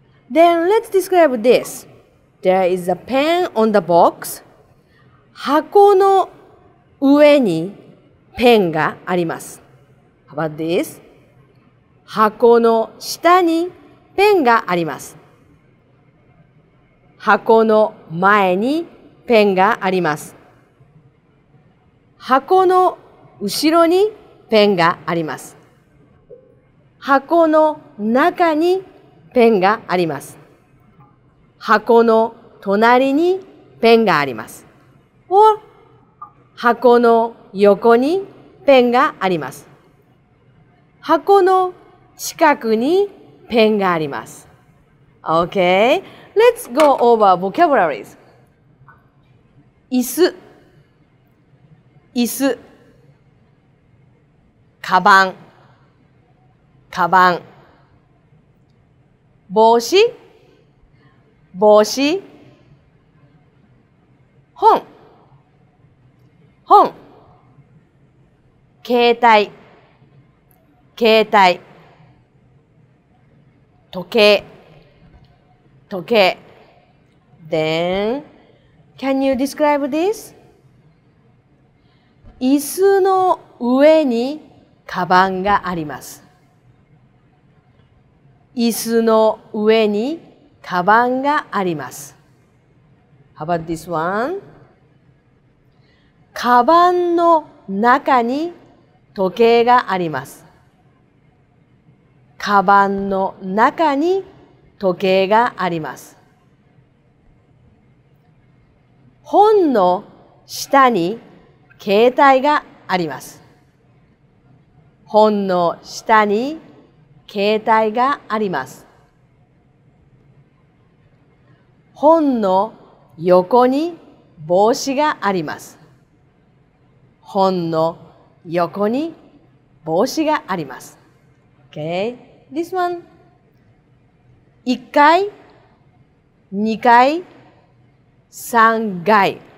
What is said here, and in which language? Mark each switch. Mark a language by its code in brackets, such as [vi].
[en] Then let's describe this. There is a pen on the box. [ja] Hako no ue ni pen ga arimasu. [en] How about this? [ja] Hako no shita ni ペンがあります。箱の前にペンがあります。箱の後ろにペンがあります。箱の中にペンがあります。箱の隣にペンがあります。箱の横にペンがあります。箱の近くにペンがあります。 [en] Okay, let's go over vocabularies. [ja] いす、いす、かばん、かばん、帽子、帽子、本、本、携帯、携帯、Tokei, Tokei. [en] Then, can you describe this? [ja] いすのうえにかばんがあります。いすのうえにかばんがあります。 [en] How about this one? [ja] かばんの中に時計があります。カバンの中に時計があります。本の下に携帯があります。本の下に携帯があります。本の横に帽子があります。本の横に帽子があります。 [en] Okay? This one, 1階, 2階, 3階.